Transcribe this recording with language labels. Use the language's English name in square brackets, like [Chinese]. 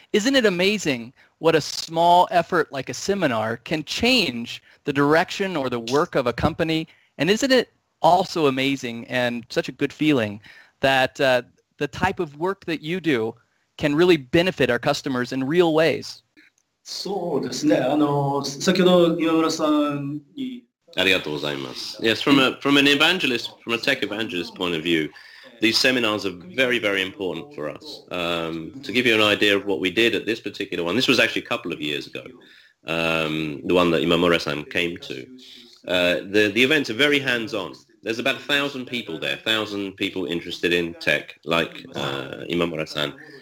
[English] Isn't it amazing what a small effort like a seminar can change the direction or the work of a company? And isn't it also amazing and such a good feeling that the type of work that you do can really benefit our customers in real ways? [Japanese] So, ですね。あの、先ほど岩村さんに。ありがとうございます。 [English] Yes, from an evangelist, from a tech evangelist point of view, these seminars are very, very important for us. To give you an idea of what we did at this particular one, this was actually a couple of years ago, the one that Imamura-san came to. The events are very hands-on. There's about 1,000 people there, 1,000 people interested in tech, like Imamura-san.